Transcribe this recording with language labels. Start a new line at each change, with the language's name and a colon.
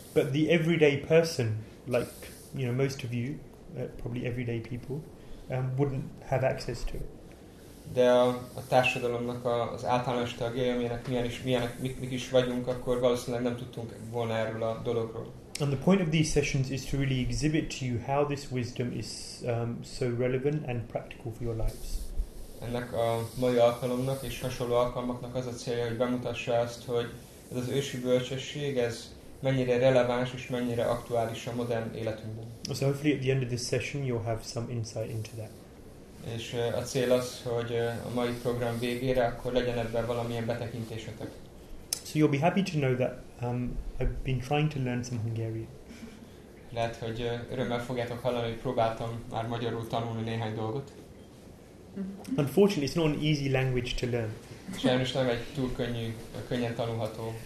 English: But the everyday person, like, you know, most of you, probably everyday people, wouldn't have access to it.
Hungarian: De a társadalomnak az általános tagjai, amilyenek mik is vagyunk, akkor valószínűleg nem tudtunk volna erről a dologról.
English: And the point of these sessions is to really exhibit to you how this wisdom is so relevant and practical for your lives.
Hungarian: Ennek a mai alkalomnak és hasonló alkalmaknak az a célja, hogy bemutassa azt, hogy ez az ősi bölcsesség, ez mennyire releváns és mennyire aktuális a modern életünkben.
English: So hopefully at the end of this session you'll have some insight into that.
Hungarian: És a cél az, hogy a mai program végére akkor legyen ebben valamilyen betekintésetek.
English: So you'll be happy to know that I've been trying to learn some Hungarian.
Hungarian: Lehet, hogy örömmel fogjátok hallani, hogy próbáltam már magyarul tanulni néhány dolgot.
English: Unfortunately, it's not an easy language to learn.
Hungarian: Sajnos nem egy túl könnyű, könnyen tanulható.